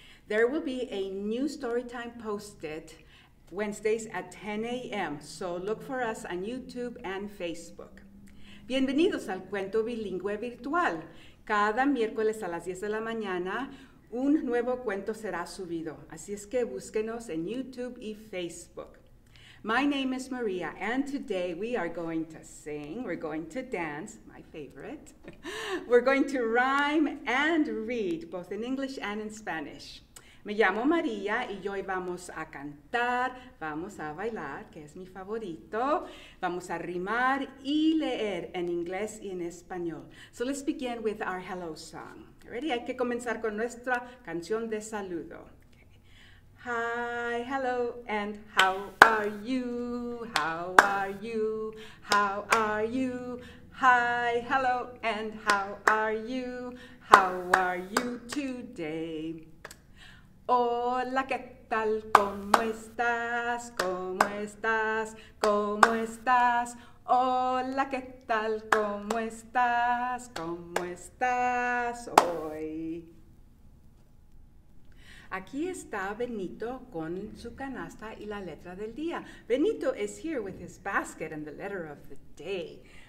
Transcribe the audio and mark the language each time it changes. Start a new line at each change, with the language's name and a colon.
English: There will be a new story time posted Wednesdays at 10 a.m., so look for us on YouTube and Facebook.
Spanish: Bienvenidos al cuento bilingüe virtual. Cada miércoles a las 10 de la mañana, un nuevo cuento será subido. Así es que búsquenos en YouTube y Facebook.
English: My name is Maria, and today we are going to sing, we're going to dance, my favorite. We're going to rhyme and read, both in English and in Spanish.
Spanish: Me llamo Maria, y hoy vamos a cantar, vamos a bailar, que es mi favorito. Vamos a rimar y leer en inglés y en español.
English: So let's begin with our hello song. Ready?
Spanish: Hay que comenzar con nuestra canción de saludo.
English: Hi, hello, and how are you? How are you? How are you? Hi, hello, and how are you? How are you today?
Spanish: Hola, ¿qué tal? ¿Cómo estás? ¿Cómo estás? ¿Cómo estás? Hola, ¿qué tal? ¿Cómo estás? ¿Cómo estás hoy? Aquí está Benito con su canasta y la letra del día.
English: Benito is here with his basket and the letter of the day.